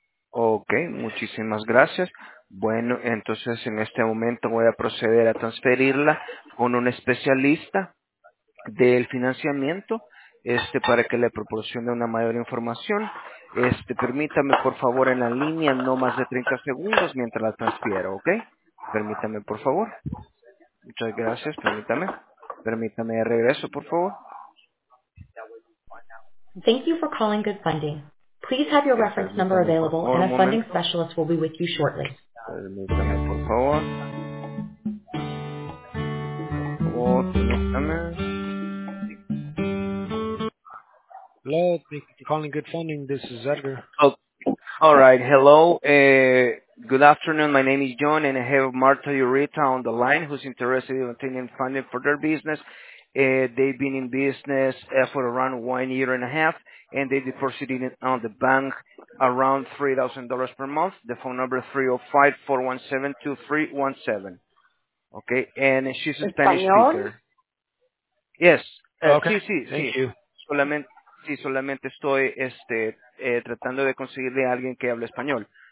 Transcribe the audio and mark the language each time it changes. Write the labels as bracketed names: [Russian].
[Spanish] Okay, muchísimas gracias. Bueno, entonces en este momento voy a proceder a transferirla con un especialista del financiamiento, para que le proporcione una mayor información. Permítame, por favor, en la línea, no más de 30 segundos mientras la transfiero, ¿ok? Permítame, por favor. Muchas gracias, permítame. Permítame de regreso, por favor. [English] Thank you for calling Good Funding. Please have your reference number available and a funding specialist will be with you shortly. [Spanish] Permítame, por favor. Permítame. [English] Hello, thank you for calling Good Funding. This is Edgar. Oh, all right. Hello. Good afternoon. My name is John, and I have Marta Yurrita on the line, who's interested in obtaining funding for their business. They've been in business for around 1 year and a half, and they deposited on the bank around $3,000 per month. The phone number is 305-417-2317. Okay, and she's a Spanish speaker. Yes. Okay. [Spanish] Sí. [English] Thank you. [Spanish] Sí, solamente estoy tratando de conseguirle a alguien que hable español.